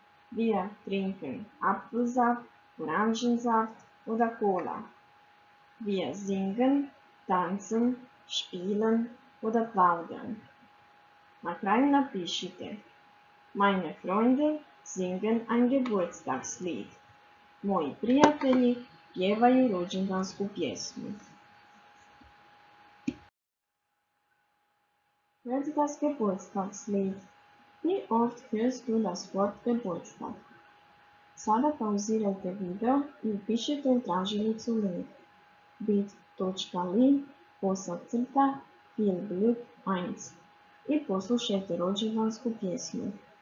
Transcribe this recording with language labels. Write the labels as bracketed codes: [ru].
[de] Wir trinken Apfelsaft, Orangensaft oder Cola. Wir singen, tanzen, spielen oder plaudern. [hr] Na kraju napišite. [de] Meine Freunde singen ein Geburtstagslied. [hr] Moji prijatelji pjevaju rođendansku pjesmu. [de] Hört das Geburtstagslied. Wie oft hörst du das Wort Geburtstag? [hr] Sada pausirajte video i upišite u tražilicu link. bit.ly posacrta viel Glück 1 i poslušajte rođendansku pjesmu.